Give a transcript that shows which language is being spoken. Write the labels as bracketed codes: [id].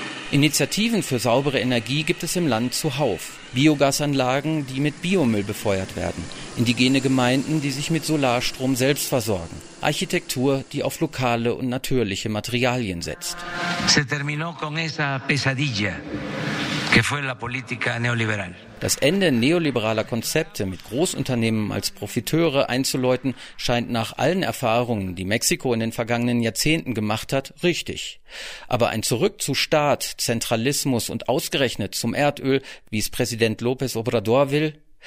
[de] Initiativen für saubere Energie gibt es im Land zuhauf. Biogasanlagen, die mit Biomüll befeuert werden. Indigene Gemeinden, die sich mit Solarstrom selbst versorgen. Architektur, die auf lokale und natürliche Materialien setzt. [es] Se terminó con esa pesadilla que fue la política neoliberal. [de] Das Ende neoliberaler Konzepte mit Großunternehmen als Profiteure einzuläuten, scheint nach allen Erfahrungen, die Mexiko in den vergangenen Jahrzehnten gemacht hat, richtig. Aber ein Zurück zu Staat, Zentralismus und ausgerechnet zum Erdöl, wie es Präsident López Obrador will?